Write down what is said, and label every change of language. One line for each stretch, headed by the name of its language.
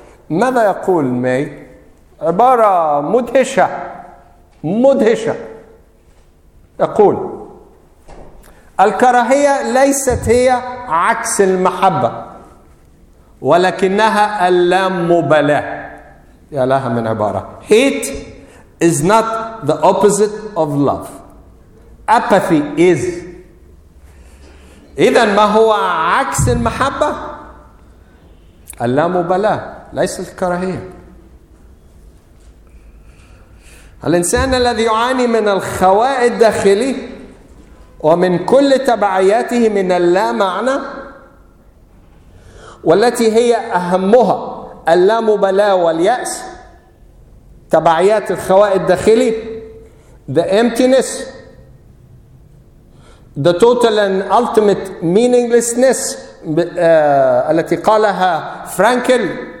Arabic: ماذا يقول مي؟ عبارة مدهشة، مدهشة. يقول: الكراهية ليست هي عكس المحبة ولكنها اللامبالاة. يا لها من عبارة.
English: Hate is not the opposite of love. Apathy is.
Arabic: إذن ما هو عكس المحبة؟ اللامبالاة، ليس الكراهية. الإنسان الذي يعاني من الخواء الداخلي ومن كل تبعياته من اللا معنى، والتي هي أهمها اللامبالاة واليأس، تبعيات الخواء الداخلي،
English: the emptiness, the total and ultimate meaninglessness
Arabic: التي قالها فرانكل.